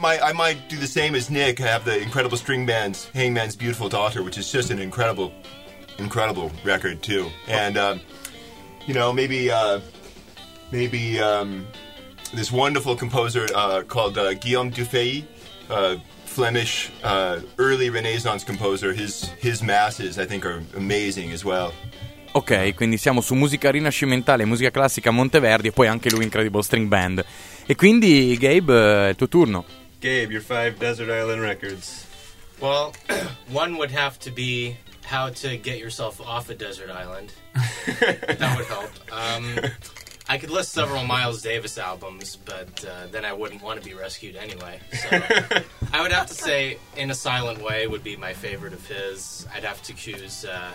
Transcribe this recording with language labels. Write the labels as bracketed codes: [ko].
[en] I might do the same as Nick, have the Incredible String Band's Hangman's Beautiful Daughter, which is just an incredible, incredible record, too. And, you know, maybe this wonderful composer called Guillaume Dufay, Flemish early Renaissance composer, his masses, I think, are amazing as well. [it] Ok, quindi siamo su musica rinascimentale, musica classica, Monteverdi e poi anche lui Incredible String Band. E quindi, Gabe, è il tuo turno. [en] Gabe, your five Desert Island Records. Well, one would have to be How to Get Yourself Off a Desert Island. That would help. I could list several Miles Davis albums, but then I wouldn't want to be rescued anyway. So I would have to say In a Silent Way would be my favorite of his. I'd have to choose...